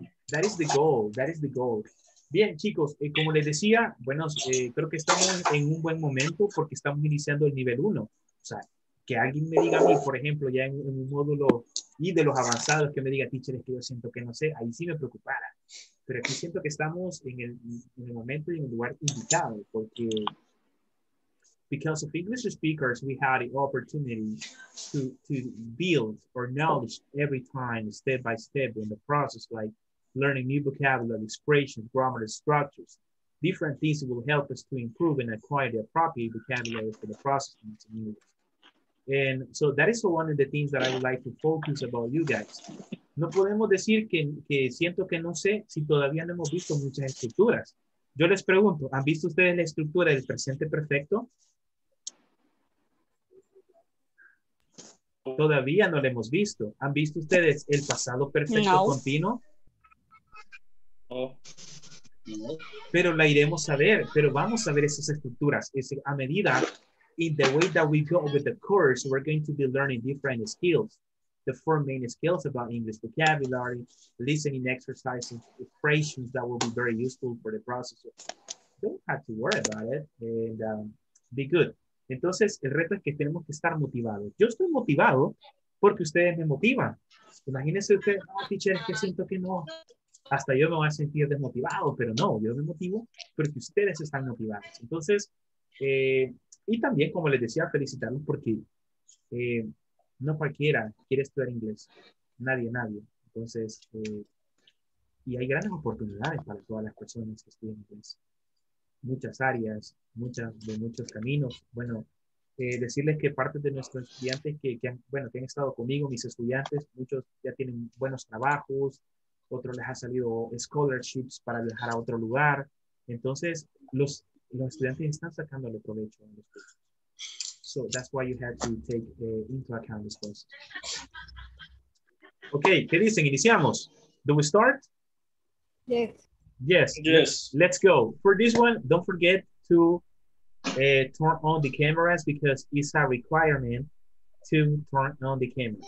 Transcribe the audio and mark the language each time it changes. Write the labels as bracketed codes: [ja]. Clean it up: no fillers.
[en] That is the goal, that is the goal. [es] Bien, chicos, como les decía, bueno, creo que estamos en un buen momento porque estamos iniciando el nivel 1. O sea, que alguien me diga a mí, por ejemplo, ya en un módulo y de los avanzados, que me diga, teacher, es que yo siento que no sé, ahí sí me preocupara. Pero aquí siento que estamos en el momento y en el lugar indicado, porque [en] because of English speakers, we had the opportunity to build our knowledge every time, step by step, in the process, like learning new vocabulary, expressions, grammar, structures. Different things will help us to improve and acquire the appropriate vocabulary for the process in English. And so that is one of the things that I would like to focus about you guys. [es] No podemos decir que siento que no sé si todavía no hemos visto muchas estructuras. Yo les pregunto, ¿han visto ustedes la estructura del presente perfecto? Todavía no la hemos visto. ¿Han visto ustedes el pasado perfecto continuo? Pero la iremos a ver, pero vamos a ver esas estructuras. Es a medida, [en] in the way that we go with the course, we're going to be learning different skills. The four main skills about English vocabulary, listening exercises, expressions that will be very useful for the process. Don't have to worry about it and be good. [es] Entonces, el reto es que tenemos que estar motivados. Yo estoy motivado porque ustedes me motivan. Imagínense usted, teacher, que siento que no. Hasta yo me voy a sentir desmotivado, pero no, yo me motivo porque ustedes están motivados. Entonces, y también, como les decía, felicitarlos porque no cualquiera quiere estudiar inglés. Nadie. Entonces, y hay grandes oportunidades para todas las personas que estudian inglés. Muchas áreas, muchos caminos. Bueno, decirles que parte de nuestros estudiantes que han estado conmigo, mis estudiantes, muchos ya tienen buenos trabajos. Otro les ha salido scholarships para viajar a otro lugar. Entonces, los estudiantes están sacándole provecho a los cursos. [en] So that's why you have to take into account this process. [es] Okay, ¿qué dicen? ¿Iniciamos? [en] Do we start? Yes. Let's go. For this one, don't forget to turn on the cameras because it's a requirement to turn on the camera.